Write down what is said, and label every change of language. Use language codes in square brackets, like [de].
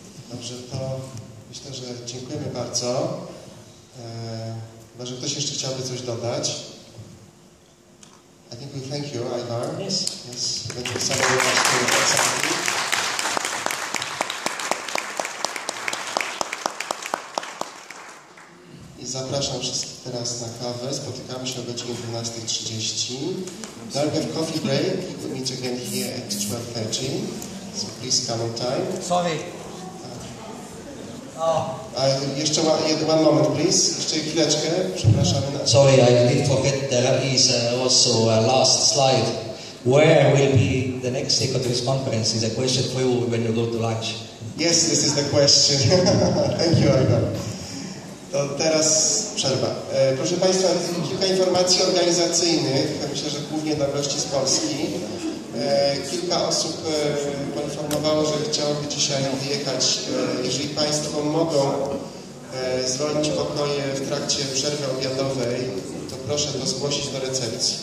[pl] Dobrze, to myślę, że dziękujemy bardzo. Chyba, że ktoś jeszcze chciałby coś dodać. [en] I think we thank you, Ivar. Yes. Yes. Thank you so very much for your time. [pl] Zapraszam wszystkich teraz na kawę. Spotykamy się o godzinie 12:30. [en] There'll be a coffee break. We'll meet again here at 12:30. So please come on time. Sorry. [pl] Jeszcze [en] one moment, please. [pl] Jeszcze chwileczkę. Przepraszam. [en] Sorry, I did forget there is also a last slide. Where will be the next ecotourism conference? Is a question for you when you go to lunch. Yes, this is the question. Thank you, Ivan. [pl] To teraz przerwa. Proszę Państwa, kilka informacji organizacyjnych. Myślę, że głównie dla gości z Polski. Kilka osób poinformowało, że chciałoby dzisiaj wyjechać. Jeżeli Państwo mogą zwolnić pokoje w trakcie przerwy obiadowej, to proszę to zgłosić do recepcji.